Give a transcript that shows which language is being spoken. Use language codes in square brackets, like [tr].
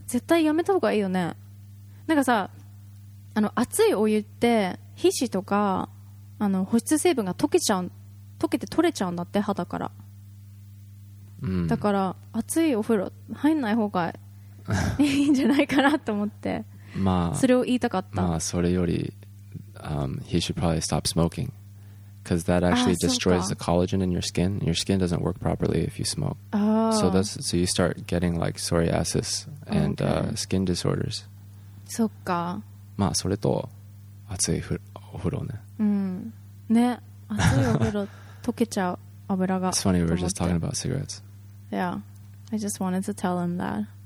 [ja] 絶対やめた方がいいよね。なんかさ、あの熱いお湯って皮脂とかあの保湿成分が溶けちゃう、溶けて取れちゃうんだって肌から、うん、だから熱いお風呂入んない方がいいんじゃないかなと思って、まあ、それを言いたかった。まあそれより [en] He should probably stop smoking because that actually destroys the collagen in your skin. Your skin doesn't work properly if you smoke. So that's, so you start getting like psoriasis and、okay. Skin disorders. [ja] そっか。まあそれと熱いお風呂ね。うん。ね、熱いお風呂溶けちゃう油が。 [en] It's funny, we're just talking about cigarettes. Yeah, I just wanted to tell him that.